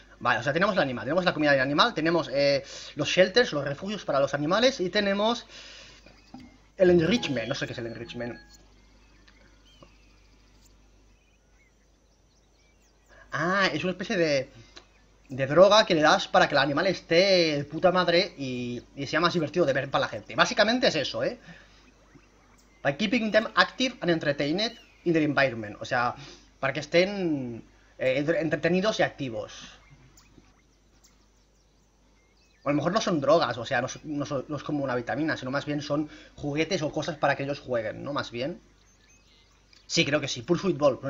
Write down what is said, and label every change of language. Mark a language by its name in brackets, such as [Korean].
[Spanish] Vale, o sea, tenemos el animal, tenemos la comida del animal, tenemos los shelters, los refugios para los animales y tenemos el Enrichment. No sé qué es el Enrichment. Ah, es una especie de droga que le das para que el animal esté de puta madre y sea más divertido de ver para la gente. Básicamente es eso, ¿eh? [English] By keeping them active and entertained in their environment. [Spanish] O sea, para que estén entretenidos y activos. O a lo mejor no son drogas, o sea, no es como una vitamina, sino más bien son juguetes o cosas para que ellos jueguen, ¿no? Más bien. Sí, creo que sí. Pursuit Ball.